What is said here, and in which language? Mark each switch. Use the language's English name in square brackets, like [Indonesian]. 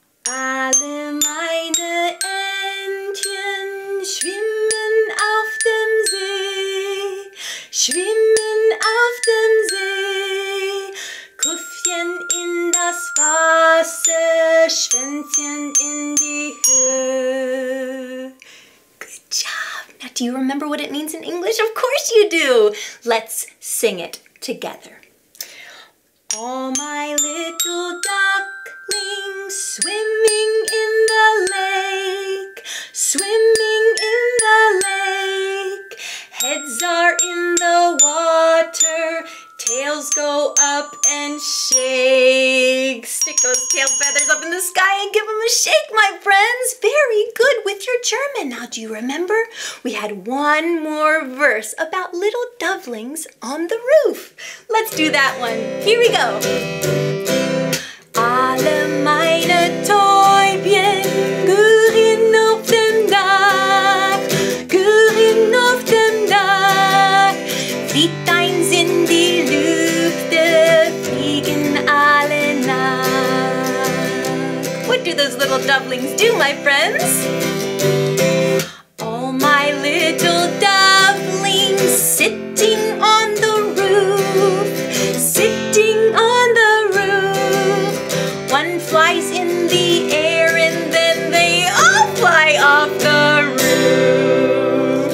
[German] Alle meine Entchen schwimmen auf dem See, schwimmen auf dem See, Köpfchen in das Wasser, Schwänzchen in die Höhe. [English] Good job! Now, do you remember what it means in English? Of course you do! Let's sing it together. Oh, my little ducklings swimming in the lake, swimming in the lake. Heads are in the water, tails go up and shake. Stick those tail feathers up in the sky and give them a shake, my friends. Very good with your German. Now, do you remember? We had one more verse about little dovelings on the roof. Let's do that one. Here we go. [German] Alle meine Täubchen gurren auf dem Dach, gurren auf dem Dach. Flieht eins in die Lüfte, fliegen alle nach. [English] What do those little dovelings do, my friends? All my little dovelings sitting on the roof, sitting on the roof. One flies in the air and then they all fly off the roof.